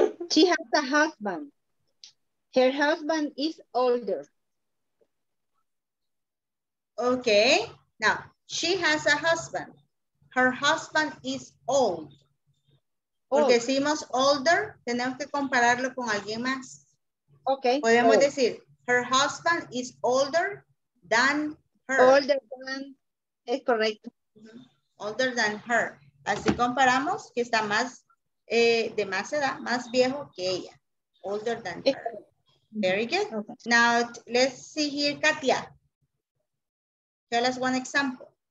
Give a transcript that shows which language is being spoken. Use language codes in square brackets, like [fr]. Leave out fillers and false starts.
[en] She has a husband. Her husband is older. Okay, now, she has a husband. Her husband is old. [es] Porque decimos older, tenemos que compararlo con alguien más. [en] Okay. [es] Podemos decir, [en] her husband is older than her. Older than, [es] es correcto. [en] Mm-hmm. Older than her. [es] Así comparamos que está más, de más edad, más viejo que ella. [en] Older than her. Very good. Okay. Now, let's see here, Katia. Tell us one example.